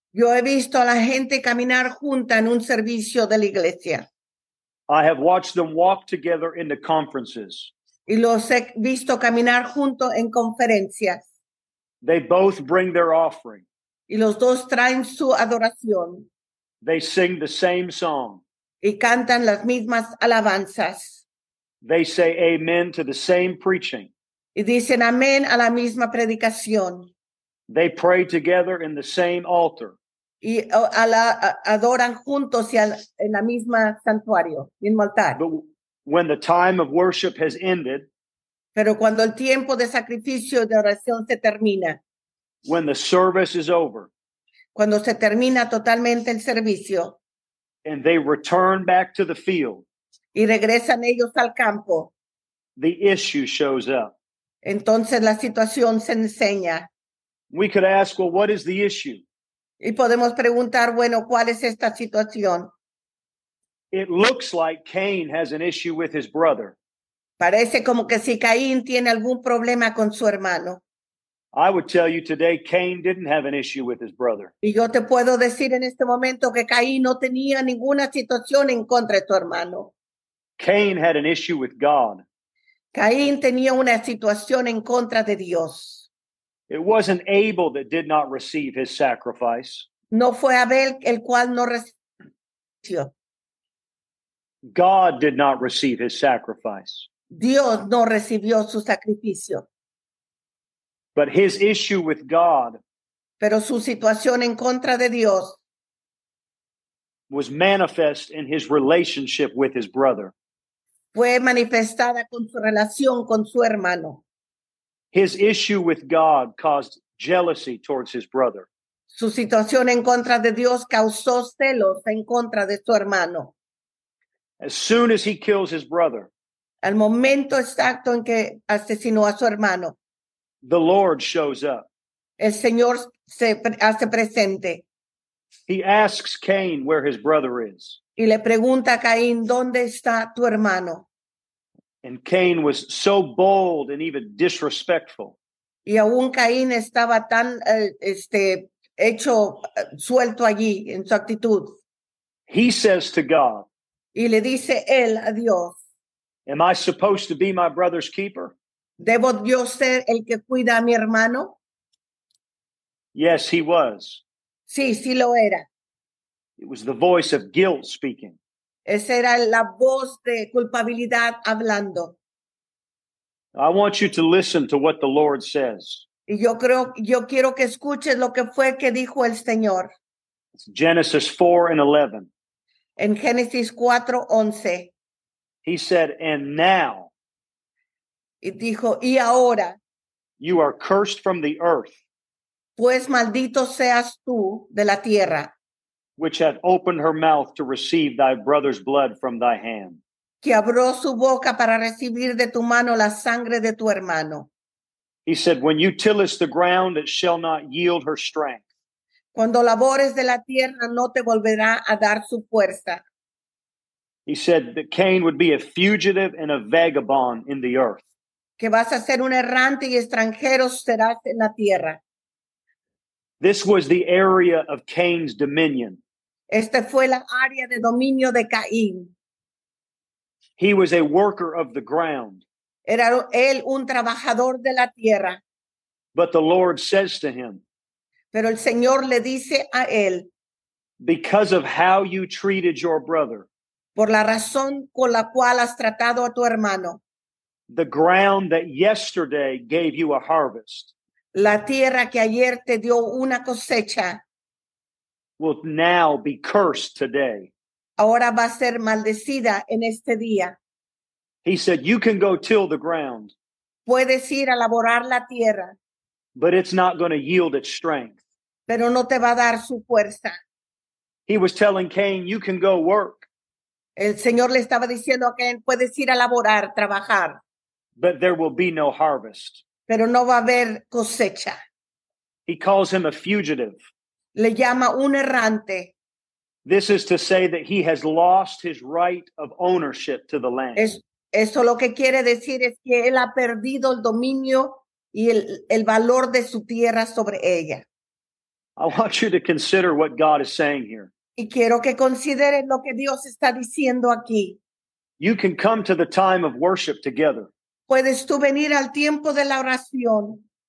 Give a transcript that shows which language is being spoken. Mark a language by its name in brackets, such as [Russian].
[Spanish] Yo he visto a la gente caminar junta en un servicio de la iglesia. [English] I have watched them walk together into conferences. [Spanish] Y los he visto caminar junto en conferencias. [English] They both bring their offering. [Spanish] Y los dos traen su adoración. [English] They sing the same song. [Spanish] Y cantan las mismas alabanzas. [English] They say amen to the same preaching. [Spanish] Y dicen amén a la misma predicación. [English] They pray together in the same altar. [Spanish] Y adoran juntos y en la misma santuario, mismo altar. [English] But when the time of worship has ended, [Spanish] pero cuando el tiempo de sacrificio de oración se termina, [English] when the service is over, [Spanish] cuando se termina totalmente el servicio, [English] and they return back to the field, [Spanish] y regresan ellos al campo, [English] the issue shows up. [Spanish] Entonces la situación se enseña. [English] We could ask, well, what is the issue? [Spanish] Y podemos preguntar, bueno, ¿cuál es esta situación? [English] It looks like Cain has an issue with his brother. [Spanish] Parece como que si Caín tiene algún problema con su hermano. [English] I would tell you today, Cain didn't have an issue with his brother. [Spanish] Y yo te puedo decir en este momento que Caín no tenía ninguna situación en contra de tu hermano. [English] Cain had an issue with God. [Spanish] Caín tenía una situación en contra de Dios. [English] It wasn't Abel that did not receive his sacrifice. [Spanish] No fue Abel el cual no recibió. [English] God did not receive his sacrifice. [Spanish] Dios no recibió su sacrificio. [English] But his issue with God, [Spanish] pero su situación en contra de Dios, [English] was manifest in his relationship with his brother. [Spanish] Fue manifestada con su relación con su hermano. [English] His issue with God caused jealousy towards his brother. [Spanish] Su situación en contra de Dios causó celos en contra de su hermano. [English] As soon as he kills his brother, [Spanish] al momento exacto en que asesinó a su hermano, [English] the Lord shows up. [Spanish] El Señor se hace presente. [English] He asks Cain where his brother is. [Spanish] Y le pregunta a Caín, ¿dónde está tu hermano? [English] And Cain was so bold and even disrespectful. [Spanish] Y aún Caín estaba tan hecho suelto allí en su actitud. [English] He says to God, [Spanish] y le dice él a Dios, [English] am I supposed to be my brother's keeper? [Spanish] ¿Debo yo ser el que cuida a mi hermano? [English] Yes, he was. [Spanish] Sí, sí lo era. [English] It was the voice of guilt speaking. [Spanish] Esa era la voz de culpabilidad hablando. [English] I want you to listen to what the Lord says. [Spanish] Y yo quiero que escuches lo que fue que dijo el Señor. [English] It's Genesis 4 and 11. [Spanish] En Génesis 4, 11. [English] He said, and now. [Spanish] Y dijo, y ahora. [English] You are cursed from the earth. [Spanish] Pues maldito seas tú de la tierra. [English] Which hath opened her mouth to receive thy brother's blood from thy hand. [Spanish] Que abrió su boca para recibir de tu mano la sangre de tu hermano. [English] He said, when you tillest the ground, it shall not yield her strength. [Spanish] Cuando labores de la tierra, no te volverá a dar su fuerza. [English] He said that Cain would be a fugitive and a vagabond in the earth. [Spanish] Que vas a ser un errante y extranjero serás en la tierra. [English] This was the area of Cain's dominion. [Spanish] Este fue la área de dominio de Caín. [English] He was a worker of the ground. [Spanish] Era él un trabajador de la tierra. [English] But the Lord says to him, [Spanish] pero el Señor le dice a él, [English] because of how you treated your brother, [Spanish] por la razón con la cual has tratado a tu hermano, [English] the ground that yesterday gave you a harvest, [Spanish] la tierra que ayer te dio una cosecha, [English] will now be cursed today. [Spanish] Ahora va a ser maldecida en este día. [English] He said, you can go till the ground. [Spanish] Puedes ir a laborar la tierra. [English] But it's not going to yield its strength. [Spanish] Pero no te va a dar su fuerza. [English] He was telling Cain, you can go work. [Spanish] El Señor le estaba diciendo a Cain, puedes ir a laborar, trabajar. [English] But there will be no harvest. [Spanish] Pero no va a haber cosecha. [English] He calls him a fugitive. [Spanish] Le llama un errante. [English] This is to say that he has lost his right of ownership to the land. [Spanish] Eso lo que quiere decir es que él ha perdido el dominio y el valor de su tierra sobre ella. [English] I want you to consider what God is saying here. [Spanish] Y quiero que consideren lo que Dios está diciendo aquí. [English] You can come to the time of worship together. [Spanish] Puedes tú venir al tiempo de la oración.